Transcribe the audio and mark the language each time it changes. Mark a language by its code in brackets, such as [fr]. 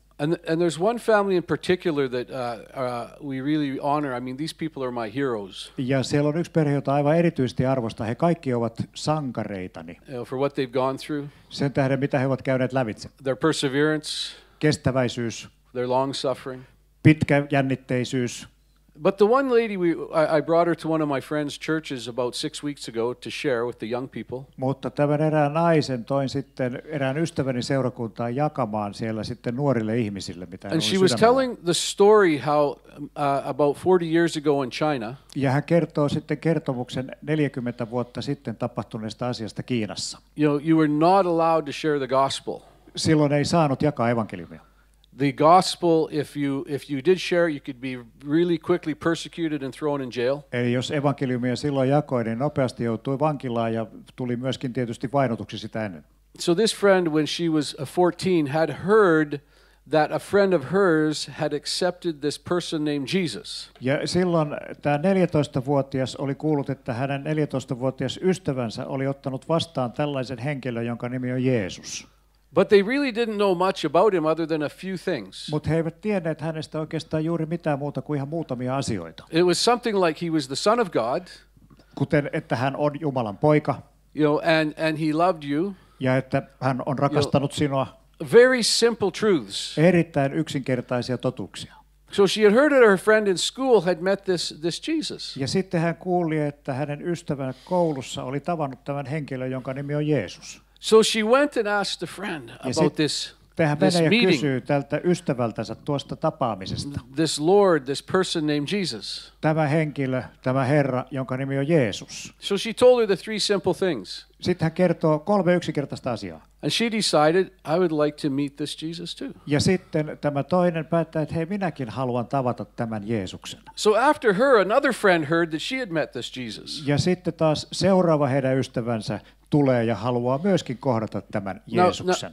[en] And there's one family in particular that we really honor. I mean, these people are my heroes. [fi] Ja siellä on yksi perhe, jota aivan erityisesti arvostan. He kaikki ovat sankareitani. [en] You know, for what they've gone through. [fi] Sen tähden, mitä he ovat käyneet lävitse. [en] Their perseverance. [fi] Kestäväisyys. [en] Their long suffering. [fi] Pitkäjännitteisyys. [en] But the one lady, I brought her to one of my friend's churches about 6 weeks ago to share with the young people. [fi] Mutta tämän erään naisen toin sitten erään ystäväni seurakuntaan jakamaan siellä sitten nuorille ihmisille, mitä hän oli sydämellä. [en] And she was telling the story how about 40 years ago in China. [fi] Ja hän kertoo sitten kertomuksen 40 vuotta sitten tapahtuneesta asiasta Kiinassa. [en] You know, you were not allowed to share the gospel. [fi] Silloin ei saanut jakaa evankeliumia. [en] The gospel, if you did share, you could be really quickly persecuted and thrown in jail. [fi] Eli jos evankeliumia silloin jakoi, niin nopeasti joutui vankilaan ja tuli myöskin tietysti vainotuksi sitä ennen. [en] So this friend, when she was 14, had heard that a friend of hers had accepted this person named Jesus. [fi] Ja silloin tämä 14-vuotias oli kuullut, että hänen 14-vuotias ystävänsä oli ottanut vastaan tällaisen henkilön, jonka nimi on Jeesus. [en] But they really didn't know much about him other than a few things. [fi] Mut he eivät tienneet hänestä oikeastaan juuri mitään muuta kuin ihan muutamia asioita. [en] It was something like he was the son of God. [fi] Kuten että hän on Jumalan poika. [en] You know, and he loved you. [fi] Ja että hän on rakastanut sinua. [en] Very simple truths. [fi] Erittäin yksinkertaisia totuuksia. [en] So she had heard that her friend in school had met this Jesus. [fi] Ja sitten hän kuuli, että hänen ystävänsä koulussa oli tavannut tämän henkilön, jonka nimi on Jeesus. [en] So she went and asked a friend about this meeting. [fi] Kysyy tältä ystävältänsä tuosta tapaamisesta. [en] This Lord, this person named Jesus. [fi] Tämä henkilö, tämä Herra, jonka nimi on Jeesus. [en] So she told her the three simple things. [fi] Sitten hän kertoo kolme yksinkertaista asiaa. [en] And she decided, I would like to meet this Jesus too. [fi] Ja sitten tämä toinen päättää, että hei, minäkin haluan tavata tämän Jeesuksen. [en] So after her, another friend heard that she had met this Jesus. [fi] Ja sitten taas seuraava heidän ystävänsä tulee ja haluaa myöskin kohdata tämän Jeesuksen.